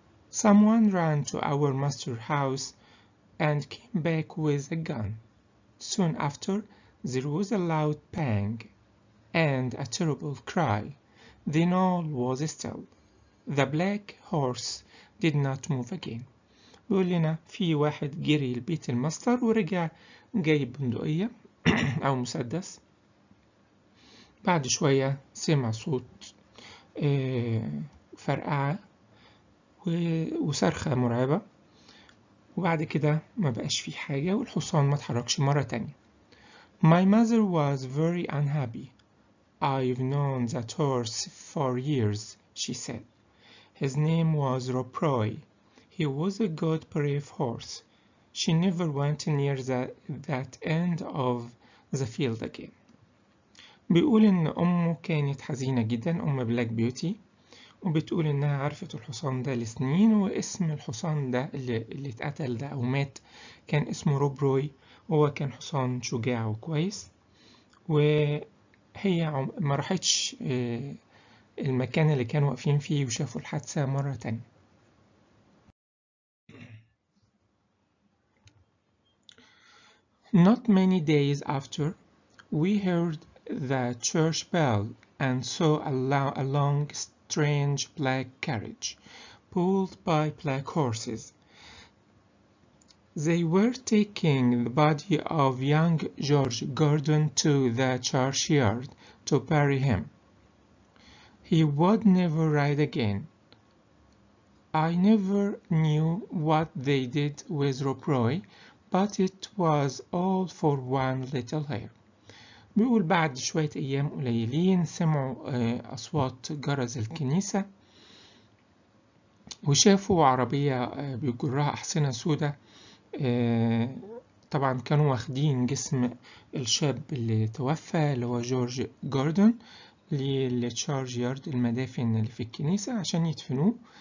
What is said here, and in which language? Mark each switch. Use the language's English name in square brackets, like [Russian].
[English] Someone ran to our master's house and came back with a gun. Soon after, there was a loud bang and a terrible cry. Then all was still. The black horse did not move again. [Arabic] بيقول لنا في واحد جري لبيت المستر ورجع جايب بندقية أو مسدس. بعد شوية سمع صوت فرقعة وصرخة مرعبة، وبعد كده ما بقاش في حاجة، والحصان ما اتحركش مرة تانية. [English] My mother was very unhappy. I've known that horse for years, she said. His name was Rob Roy. He was a good brave horse. She never went near that end of the field again. [Arabic] بيقول إن أمه كانت حزينة جدا، أم بلاك بيوتي، وبتقول إنها عرفت الحصان ده لسنين، واسم الحصان ده اللي اتقتل ده أو مات كان اسمه روب روي، وهو كان حصان شجاع وكويس، وهي ما راحتش المكان اللي كانوا واقفين فيه وشافوا الحادثة مرة تانية. [English] Not many days after, we heard the church bell and saw a long strange black carriage pulled by black horses. They were taking the body of young George Gordon to the churchyard to bury him. He would never ride again. I never knew what they did with Rob Roy, but it was all for one little hair. [Arabic] بيقول بعد شوية أيام قليلين سمعوا أصوات جرس الكنيسة، وشافوا عربية بيجرها أحصنة سودة. طبعا كانوا واخدين جسم الشاب اللي توفى اللي هو جورج جوردون للتشارج يارد المدافن اللي في الكنيسة عشان يدفنوه.